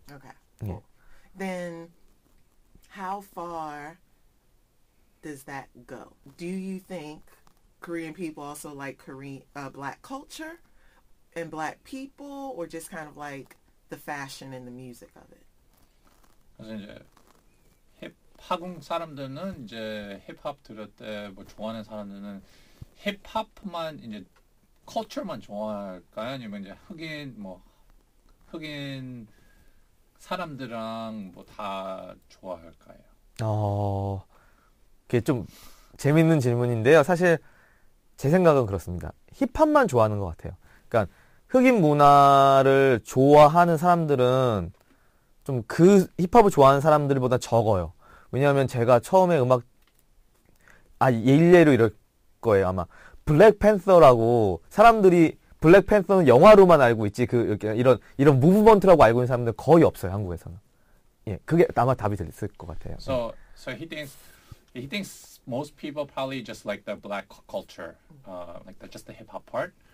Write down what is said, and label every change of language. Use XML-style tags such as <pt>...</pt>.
<en>okay. Yeah. Then how far does that go? Do you think Korean people also like black culture and black people, or just kind of like the fashion and the music of it?</en> <ko>그래서 이제 한국 사람들은 이제 힙합 들을 때 뭐 좋아하는 사람들은 힙합만 이제 culture만 좋아할까요? 아니면 이제 흑인 사람들랑 뭐 다 좋아할까요? 그게 좀 재밌는 질문인데요. 사실 제 생각은 그렇습니다. 힙합만 좋아하는 것 같아요. 그러니까 흑인 문화를 좋아하는 사람들은 좀 그 힙합을 좋아하는 사람들보다 적어요. 왜냐하면 제가 처음에 음악 예일예로 이럴 거예요. 아마 블랙팬서라고 사람들이 블랙팬서는 영화로만 알고 있지 그 이런 무브먼트라고 알고 있는 사람들 거의 없어요 한국에서는. 예, 그게 아마 답이 됐을 것 같아요.</ko> <en>So he thinks most people probably just like the black culture, just the hip hop part.</en>